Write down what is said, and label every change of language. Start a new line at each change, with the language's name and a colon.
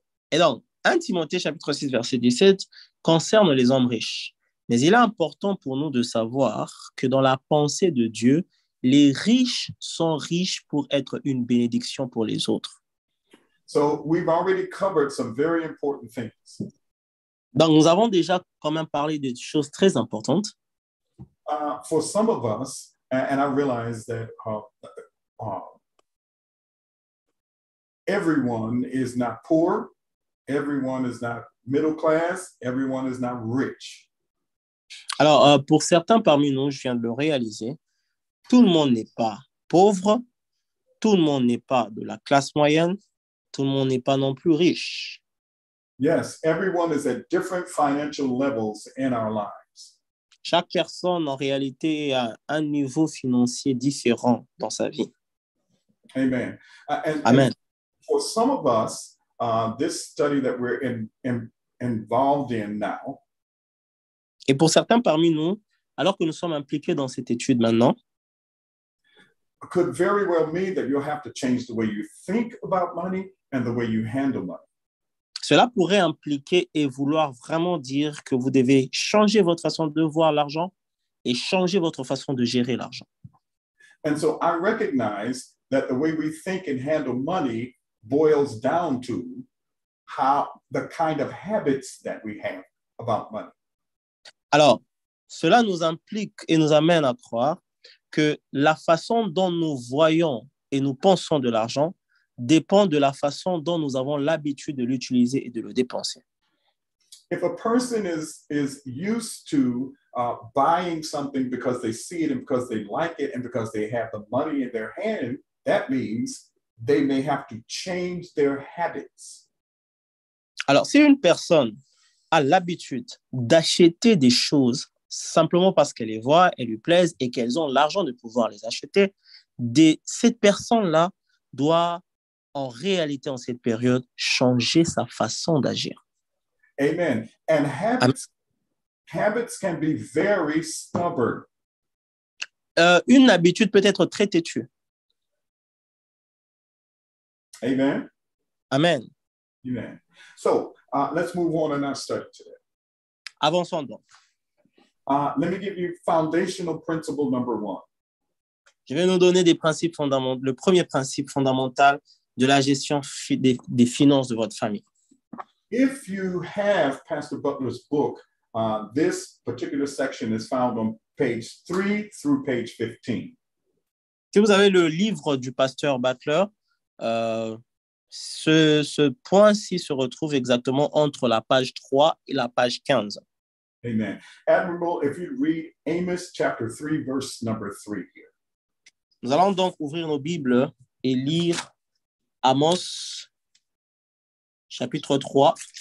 French: Et donc, 1 Timothée chapitre 6 verset 17 concerne les hommes riches. Mais il est important pour nous de savoir que dans la pensée de Dieu, les riches sont riches pour être une bénédiction pour les autres.
English: So we've already covered some very important things.
French: Donc nous avons déjà quand même parlé de choses très importantes.
English: For some of us, and I realize that everyone is not poor, everyone is not middle class, everyone is not rich.
French: Alors, pour certains parmi nous, je viens de le réaliser, tout le monde n'est pas pauvre, tout le monde n'est pas de la classe moyenne, tout le monde n'est pas non plus riche.
English: Yes, everyone is at different financial levels in our lives.
French: Chaque personne, en réalité, a un niveau financier différent dans sa vie.
English: Amen.
French: Amen.
English: And for some of us, this study that we're involved in now,
French: et pour certains parmi nous, alors que nous sommes impliqués dans cette étude maintenant,
English: could very well mean that you'll have to change the way you think about money and the way you handle money.
French: Cela pourrait impliquer et vouloir vraiment dire que vous devez changer votre façon de voir l'argent et changer votre façon de gérer l'argent.
English: And so I recognize that the way we think and handle money boils down to how the kind of habits that we have about money.
French: Alors, cela nous implique et nous amène à croire que la façon dont nous voyons et nous pensons de l'argent dépend de la façon dont nous avons l'habitude de l'utiliser et de le dépenser.
English: If a person is used to buying something because they see it and because they like it and because they have the money in their hand, that means they may have to change their habits.
French: Alors, si une personne a l'habitude d'acheter des choses simplement parce qu'elle les voit, elle lui plaise et qu'elles ont l'argent de pouvoir les acheter, cette personne-là doit, en réalité, en cette période, changer sa façon d'agir.
English: Amen. And habits can be very stubborn.
French: Une habitude peut être très têtue. Amen. Amen. Amen.
English: So, let's move on in our study today.
French: Avançons donc.
English: Let me give you foundational principle number one.
French: Je vais nous donner des principes fondamentaux, le premier principe fondamental de la gestion des finances de votre famille.
English: If you have Pastor Butler's book, this particular section is found on page 3 through page 15.
French: Si vous avez le livre du pasteur Butler, ce point-ci se retrouve exactement entre la page 3 et la page 15. Amen.
English: Admiral, if you read Amos chapter 3, verse number 3 here.
French: Nous allons donc ouvrir nos Bibles et lire Amos chapitre 3.